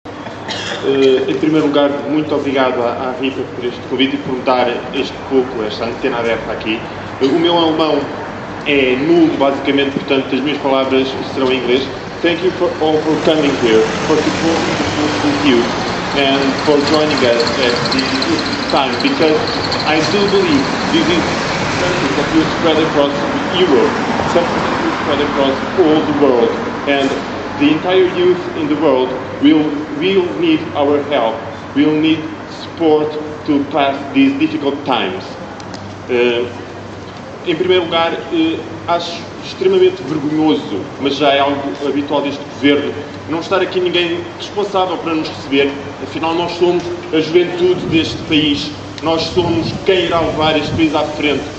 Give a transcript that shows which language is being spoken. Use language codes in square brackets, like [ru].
[pt] Em primeiro lugar, muito obrigado à Rita por este convite e por me dar este pouco, esta antena aberta aqui. O meu alemão é nulo, basicamente, portanto, as minhas palavras serão em inglês. [en] Thank you for all for coming here, for supporting with you, and for joining us at this time, because I do believe this is something that will spread across Europe, something that will spread across all the world, and the entire youth in the world will need our help, will need support to pass these difficult times. [pt] Em primeiro lugar, acho extremamente vergonhoso, mas já é algo habitual deste governo, não estar aqui ninguém responsável para nos receber. Afinal, nós somos a juventude deste país, nós somos quem irá levar este país à frente.